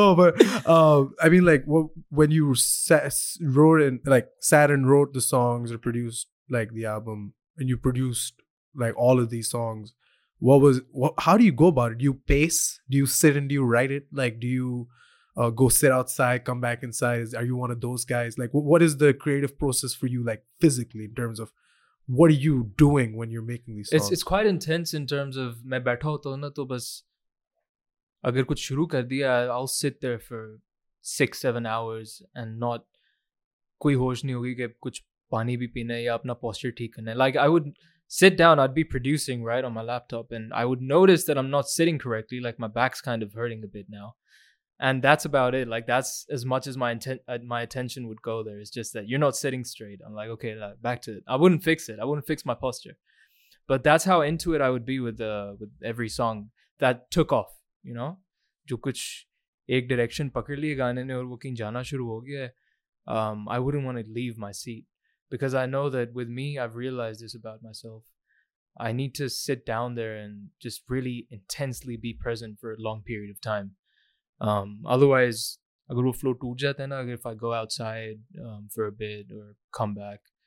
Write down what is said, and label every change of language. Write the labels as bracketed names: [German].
[English] No, but I mean, like, when you sat and wrote the songs or produced like the album, and you produced like all of these songs. How do you go about it? Do you pace? Do you sit and do you write it? Like, do you go sit outside, come back inside? Are you one of those guys? Like, what is the creative process for you, like, physically, in terms of what are you doing when you're making these songs? It's quite intense in terms of, [Hindi] मैं बैठा होता who ना तो बस अगर कुछ शुरू कर दिया, [English] I'll sit there for 6-7 hours and not [Hindi] कोई होश नहीं होगी कि कुछ पानी भी पीना है या अपना posture ठीक करना है. [English] Like, I would sit down, I'd be producing, right, on my laptop, and I would notice that I'm not sitting correctly, like, my back's kind of hurting a bit now. And that's about it. Like, that's as much as my attention would go there. It's just that you're not sitting straight. I'm like, okay, like, back to it. I wouldn't fix it. I wouldn't fix my posture. But that's how into it I would be with every song that took off, you know? [Hindi] जो कुछ एक direction पकड़ लिए गाने ने और वो कहीं जाना शुरू हो गया, [English] I wouldn't want to leave my seat. Because I know that with me, I've realized this about myself. I need to sit down there and just really intensely be present for a long period of time. Otherwise, [Hindi] agar wo flow toot jata hai na, [English] if I go outside for a bit or come back.